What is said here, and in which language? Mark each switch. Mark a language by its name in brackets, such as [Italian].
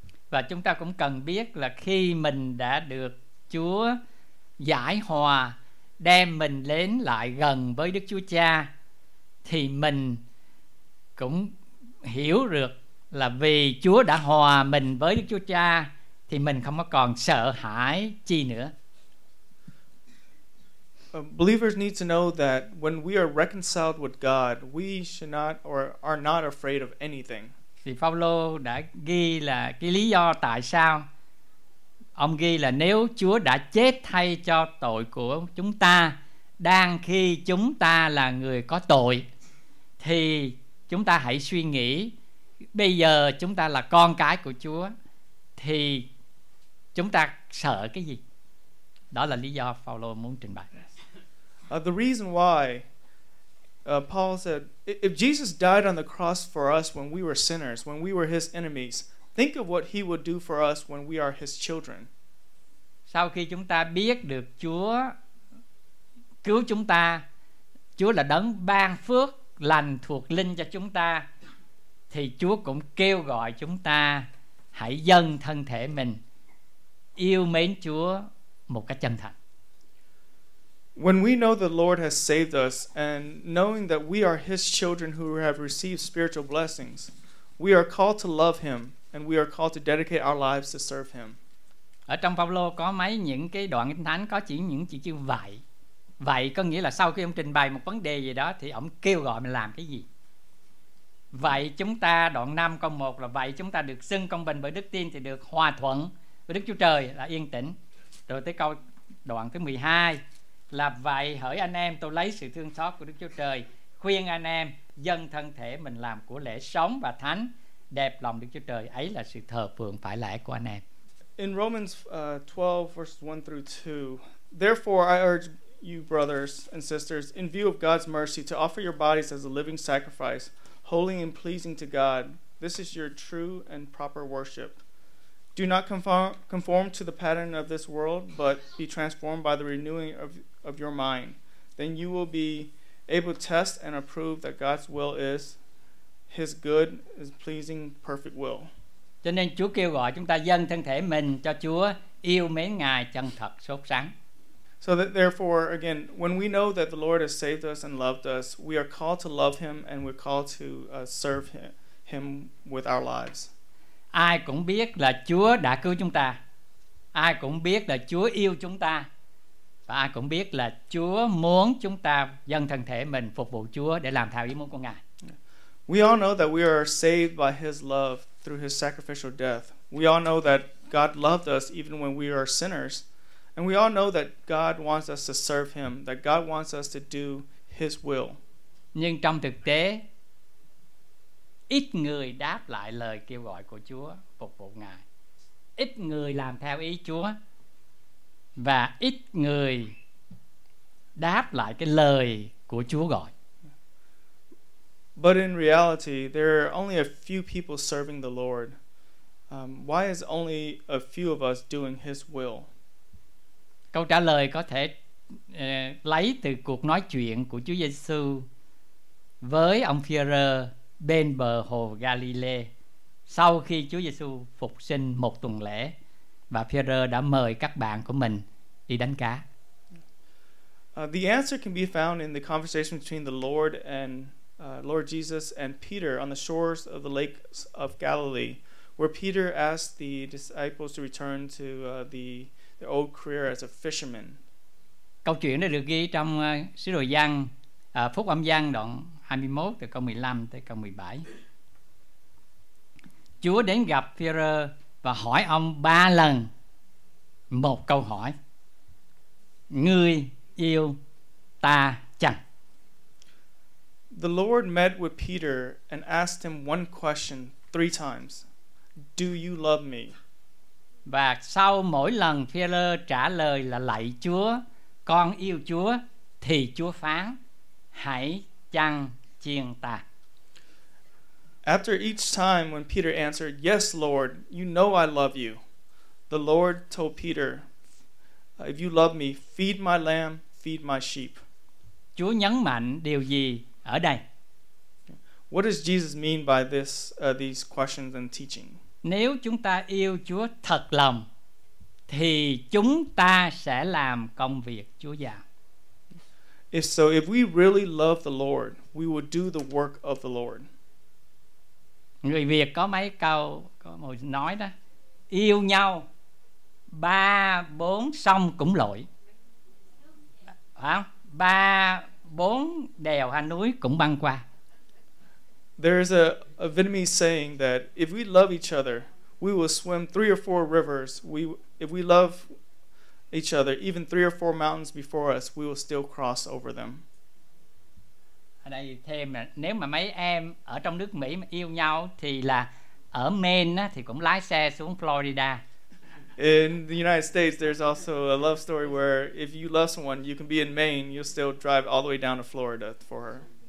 [Vietnamese] Và chúng ta cũng cần biết là khi mình đã được Chúa giải hòa, đem mình đến lại gần với Đức Chúa Cha, thì mình cũng hiểu được là vì Chúa đã hòa mình với Đức Chúa Cha thì mình không có còn sợ hãi chi nữa. [English] Believers need to know that when we are reconciled with God, we should not or are not afraid of anything. [Vietnamese] Thì Phaolô đã ghi là cái lý do tại sao ông ghi là nếu Chúa đã chết thay cho tội của chúng ta đang khi chúng ta là người có tội, thì chúng ta hãy suy nghĩ bây giờ chúng ta là con cái của Chúa thì chúng ta sợ cái gì? Đó là lý do Phaolô muốn trình bày. [English] The reason why Paul said if Jesus died on the cross for us when we were sinners, when we were his enemies, think of what he would do for us when we are his children. [Vietnamese] Sau khi chúng ta biết được Chúa cứu chúng ta, Chúa là đấng ban phước lành thuộc linh cho chúng ta, thì Chúa cũng kêu gọi chúng ta hãy dâng thân thể mình yêu mến Chúa một cách chân thành. [English] When we know the Lord has saved us and knowing that we are his children who have received spiritual blessings, we are called to love him and we are called to dedicate our lives to serve him. [Vietnamese] Ở trong Phaolô có mấy những cái đoạn kinh thánh có chỉ những chữ như vậy. Vậy có nghĩa là sau khi ông trình bày một vấn đề gì đó thì ông kêu gọi mình làm cái gì? Vậy chúng ta đoạn 5 câu 1 là vậy chúng ta được xưng công bình bởi đức tin thì được hòa thuận với Đức Chúa Trời là yên tĩnh. Rồi tới câu đoạn thứ 12 là vậy hỡi anh em tôi lấy sự thương xót của Đức Chúa Trời khuyên anh em dâng thân thể mình làm của lễ sống và thánh đẹp lòng Đức Chúa Trời, ấy là sự thờ phượng phải lẽ của anh em. [English] In Romans 12 verses 1 through 2, therefore I urge you brothers and sisters in view of God's mercy to offer your bodies as a living sacrifice, holy and pleasing to God. This is your true and proper worship. Do not conform to the pattern of this world, but be transformed by the renewing of your mind. Then you will be able to test and approve that God's will is his good, his pleasing, perfect will. [Vietnamese] Cho nên Chúa kêu gọi chúng ta dâng thân thể mình cho Chúa, yêu mến Ngài chân thật, sốt sắng. [English] So that therefore, again, when we know that the Lord has saved us and loved us, we are called to love him and we're called to serve him with our lives. [Vietnamese] Ai cũng biết là Chúa đã cứu chúng ta, ai cũng biết là Chúa yêu chúng ta, và ai cũng biết là Chúa muốn chúng ta dâng thân thể mình phục vụ Chúa để làm theo ý muốn của Ngài. [English] We all know that we are saved by his love through his sacrificial death. We all know that God loved us even when we are sinners, And we all know that God wants us to serve him, that God wants us to do his will. [Vietnamese] Nhưng trong thực tế, ít người đáp lại lời kêu gọi của Chúa phục vụ Ngài. Ít người làm theo ý Chúa và ít người đáp lại cái lời của Chúa gọi. [English] But in reality, there are only a few people serving the Lord. Why is only a few of us doing his will? [Vietnamese] Câu trả lời có thể lấy từ cuộc nói chuyện của Chúa Giêsu với ông Phi-e-rơ bên bờ hồ Galilê sau khi Chúa Giêsu phục sinh một tuần lễ và Phi-e-rơ đã mời các bạn của mình đi đánh cá. [English] The answer can be found in the conversation between the Lord and Lord Jesus and Peter on the shores of the Lake of Galilee, where Peter asked the disciples to return to their old career as a fisherman. [Vietnamese] Câu chuyện này được ghi trong Sứ đồ Giăng, Phúc Âm Giăng đoạn 21 từ câu 15 tới câu 17. Chúa đến gặp Phi-e-rơ và hỏi ông ba lần một câu hỏi: Ngươi yêu ta chăng? [English] The Lord met with Peter and asked him one question three times: Do you love me? [Vietnamese] Và sau mỗi lần Phi-e-rơ trả lời là lạy Chúa, con yêu Chúa, thì Chúa phán: Hãy chăn chiên ta. [English] After each time when Peter answered, "Yes, Lord, you know I love you," the Lord told Peter, "If you love me, feed my lamb, feed my sheep." [Vietnamese] Chúa nhấn mạnh điều gì ở đây? [English] What does Jesus mean by this, these questions and teaching? [Vietnamese] Nếu chúng ta yêu Chúa thật lòng, thì chúng ta sẽ làm công việc Chúa giao. [English] If so, if we really love the Lord, we will do the work of the Lord. [Vietnamese] Người Việt có mấy câu có một nói đó: yêu nhau ba bốn sông cũng lội, phải không? Ba bốn đèo hay núi cũng băng qua. [English] There is a Vietnamese saying that if we love each other, we will swim three or four rivers. If we love each other, even three or four mountains before us, we will still cross over them. [Vietnamese] Ở đây thêm là nếu mà mấy em ở trong nước Mỹ mà yêu nhau thì là ở Maine á, thì cũng lái xe xuống Florida. [English] In the United States, there's also a love story where if you love someone, you can be in Maine, you'll still drive all the way down to Florida for her.